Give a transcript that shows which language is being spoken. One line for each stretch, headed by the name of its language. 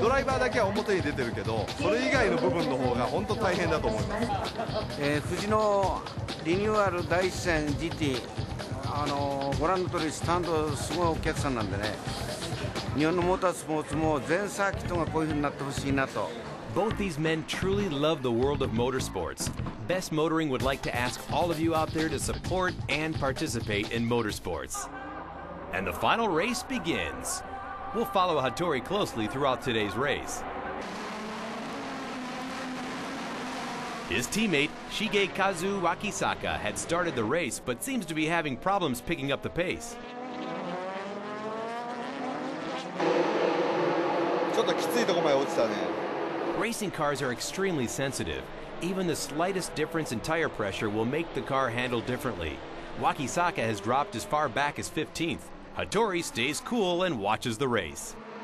Japanese: ドライバーだけは表に出てるけど、それ以外の部分の方が本当大変だと思います。富士のリニューアル第一戦 GT、ご覧の通りスタンドすごいお客さんなんでね、日本のモータースポーツも全サーキットがこういう風になってほしいなと。
English: Both these men truly love the world of motorsports. Best Motoring would like to ask all of you out there to support and participate in motorsports. And the final race begins. We'll follow Hattori closely throughout today's race. His teammate, Shigekazu Wakisaka, had started the race but seems to be having problems picking up the pace.
Japanese: ちょっときついとこまで落ちたね。
English: Racing cars are extremely sensitive. Even the slightest difference in tire pressure will make the car handle differently. Wakisaka has dropped as far back as 15th. Hattori stays cool and watches the race.